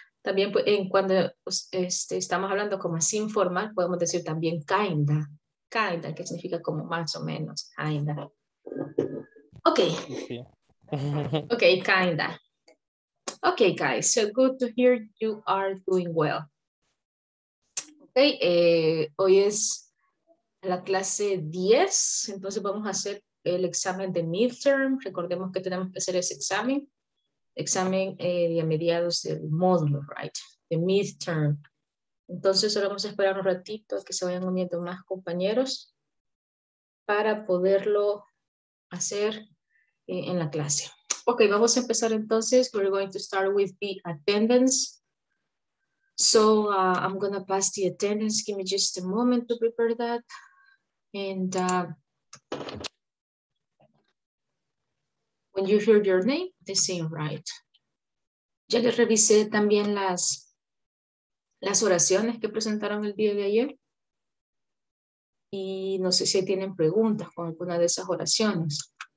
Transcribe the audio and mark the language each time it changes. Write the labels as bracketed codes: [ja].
[es] También en cuando estamos hablando como así informal, podemos decir también kinda. Kinda, que significa como más o menos, kinda. [en] Okay. [es] Sí. [en] Okay, kinda. Okay, guys, so good to hear you are doing well. [es] Okay, hoy es la clase 10, entonces vamos a hacer el examen de midterm. Recordemos que tenemos que hacer ese examen. Examen de a mediados del módulo, right? De midterm. Entonces solo vamos a esperar un ratito que se vayan uniendo más compañeros para poderlo hacer en la clase. Ok, vamos a empezar entonces. [en] We're going to start with the attendance. So I'm going to pass the attendance. Give me just a moment to prepare that. And when you hear your name, the same, right? [es] Ya les revisé también las oraciones que presentaron el día de ayer. Y no sé si tienen preguntas con alguna de esas oraciones.